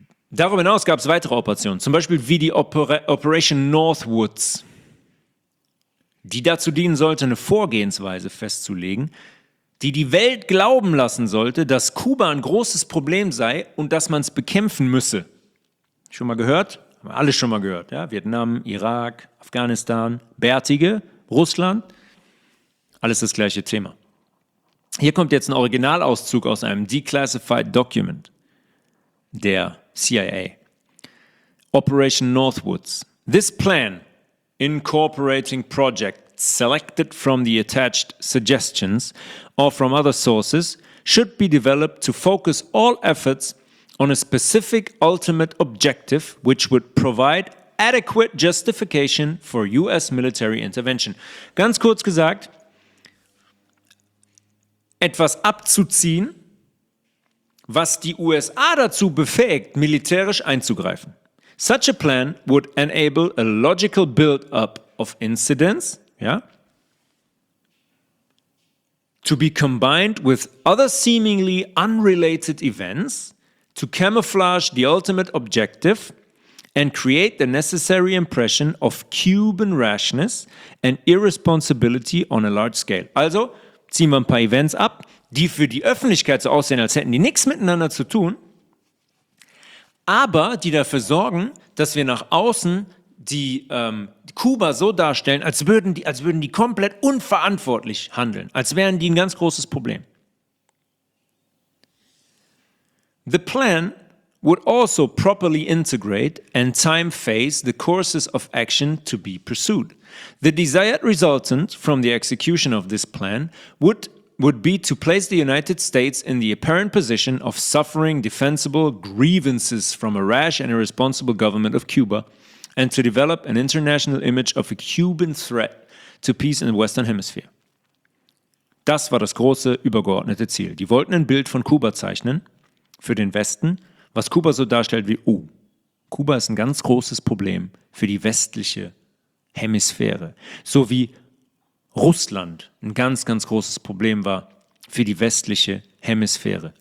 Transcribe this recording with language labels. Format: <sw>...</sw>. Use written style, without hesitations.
<de>Darüber hinaus gab es weitere Operationen, zum Beispiel wie die Operation Northwoods, die dazu dienen sollte, eine Vorgehensweise festzulegen, die die Welt glauben lassen sollte, dass Kuba ein großes Problem sei und dass man es bekämpfen müsse. Schon mal gehört? Haben wir alle schon mal gehört. Ja? Vietnam, Irak, Afghanistan, Bärtige, Russland. Alles das gleiche Thema. Hier kommt jetzt ein Originalauszug aus einem Declassified Document der CIA.</de> <en>Operation Northwoods. This plan, incorporating Project texts selected from the attached suggestions or from other sources should be developed to focus all efforts on a specific ultimate objective which would provide adequate justification for US military intervention.</en> <de>Ganz kurz gesagt, etwas abzuziehen, was die USA dazu befähigt, militärisch einzugreifen.</de> <en>Such a plan would enable a logical build-up of incidents, yeah, to be combined with other seemingly unrelated events to camouflage the ultimate objective and create the necessary impression of Cuban rashness and irresponsibility on a large scale.</en> <de>Also ziehen wir ein paar Events ab, die für die Öffentlichkeit so aussehen, als hätten die nichts miteinander zu tun, aber die dafür sorgen, dass wir nach außen die Kuba so darstellen, als würden die komplett unverantwortlich handeln, als wären die ein ganz großes Problem.</de> <en>The plan would also properly integrate and time phase the courses of action to be pursued. The desired resultant from the execution of this plan would be to place the United States in the apparent position of suffering defensible grievances from a rash and irresponsible government of Cuba and to develop an international image of a Cuban threat to peace in the Western Hemisphere.</en> <de>Das war das große, übergeordnete Ziel. Die wollten ein Bild von Kuba zeichnen für den Westen, was Kuba so darstellt wie, oh, Kuba ist ein ganz großes Problem für die westliche Hemisphäre. So wie Russland ein ganz, ganz großes Problem war für die westliche Hemisphäre.</de>